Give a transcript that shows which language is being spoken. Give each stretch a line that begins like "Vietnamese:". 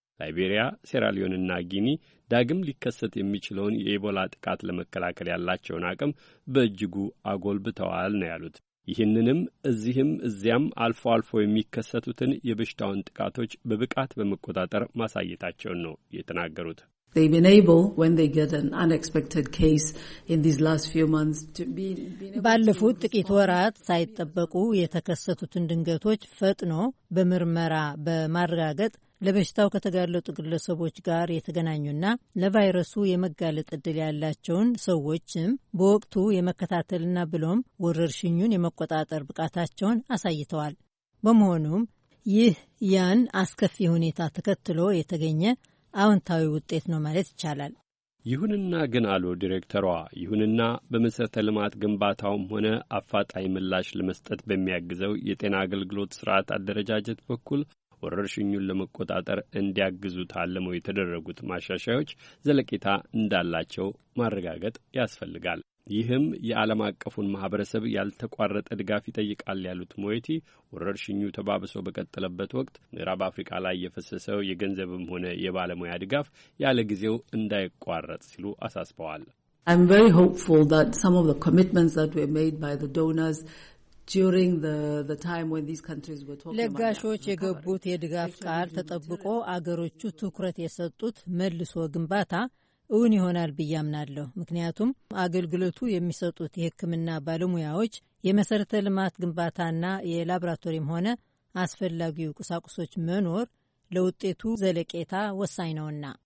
Amharic: ላይቤሪያ፣ ሴራሊዮንና ጊኒ ዳግም ሊከሰት የሚችለውን የኢቦላ ጥቃት ለመከላከል ያላቸውን አቅም በእጅጉ አጎልብተዋል ነው ያሉት። ይህንንም እዚህም እዚያም አልፎ አልፎ የሚከሰቱትን የበሽታውን ጥቃቶች በብቃት በመቆጣጠር ማሳየታቸውን ነው የተናገሩት።
English: They've been able, when they get an unexpected case in these last few months, to be able to respond.
Amharic: ባለፉት ጥቂት ወራት ሳይጠበቁ የተከሰቱትን ድንገቶች ፈጥኖ በምርመራ በማረጋገጥ ለበሽታው ከተጋለጡ ግለሰቦች ጋር የተገናኙና ለቫይረሱ የመጋለጥ ዕድል ያላቸውን ሰዎችም በወቅቱ የመከታተልና ብሎም ወረርሽኙን የመቆጣጠር ብቃታቸውን አሳይተዋል። በመሆኑም ይህ ያን አስከፊ ሁኔታ ተከትሎ የተገኘ አዎንታዊ ውጤት ነው ማለት ይቻላል። ይሁንና ግን አሉ ዲሬክተሯ፣ ይሁንና በመሰረተ ልማት ግንባታውም ሆነ አፋጣኝ ምላሽ ለመስጠት በሚያግዘው የጤና አገልግሎት ስርዓት አደረጃጀት በኩል ወረርሽኙን ለመቆጣጠር እንዲያግዙ ታለመው የተደረጉት ማሻሻያዎች ዘለቄታ እንዳላቸው ማረጋገጥ ያስፈልጋል። ይህም የዓለም አቀፉን ማህበረሰብ ያልተቋረጠ ድጋፍ ይጠይቃል ያሉት ሞይቲ፣ ወረርሽኙ ተባብሶ በቀጠለበት ወቅት ምዕራብ አፍሪካ ላይ የፈሰሰው የገንዘብም ሆነ የባለሙያ ድጋፍ ያለ ጊዜው እንዳይቋረጥ ሲሉ አሳስበዋል።
English: I'm very hopeful that some of the commitments that were made by the donors during the time when these countries were talking about
Amharic: ለጋሾች የገቡት የድጋፍ ቃል ተጠብቆ አገሮቹ ትኩረት የሰጡት መልሶ ግንባታ እውን ይሆናል ብያምናለሁ። ምክንያቱም አገልግሎቱ የሚሰጡት የህክምና ባለሙያዎች የመሰረተ ልማት ግንባታና የላብራቶሪም ሆነ አስፈላጊው ቁሳቁሶች መኖር ለውጤቱ ዘለቄታ ወሳኝ ነውና።